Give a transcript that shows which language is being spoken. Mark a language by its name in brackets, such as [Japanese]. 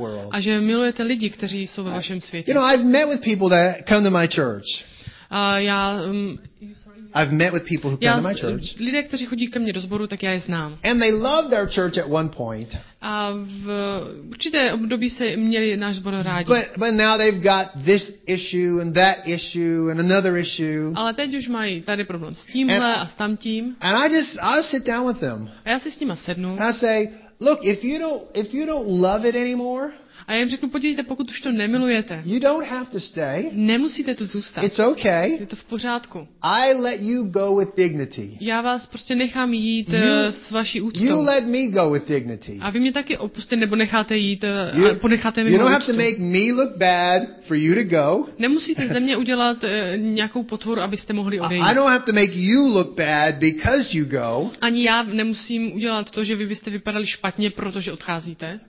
[Czech] A že milujete lidi, kteří jsou ve vašem světě. [English] You know, I've met with people that come to my church. [Czech] Já [English] I've met with people who come to my church. [Czech] Lidé, kteří chodí ke mně do sboru, tak já je znám. [English] And they loved our church at one point. [Czech] A v určité období se měli náš sbor rádi. [English] But now they've got this issue and that issue and another issue. [Czech] Ale teď už mají tady problém s tímhle a s tamtím. [English] And I sit down with them. [Czech] A já si s nima sednu. [English] And I say, look, if you don't love it anymore. [Czech] A já jim řeknu, podívejte, pokud už to nemilujete, [English] you don't have to stay. [Czech] Nemusíte tu zůstat. [English] It's okay. [Czech] Je to v pořádku. [English] I let you go with dignity. [Czech] Já vás prostě nechám jít s vaší úctou. [English] You let me go with dignity. [Czech] A vy mě taky opustíte, nebo necháte jít, ponecháte mi [English] úctu. You don't have to make me look bad for you to go. [Czech] Nemusíte ze mě udělat nějakou potvoru, abyste mohli odejít. [English] I don't have to make you look bad because you go. [Czech] Ani já nemusím udělat to, že vy byste vypadali špatně, protože odcházíte.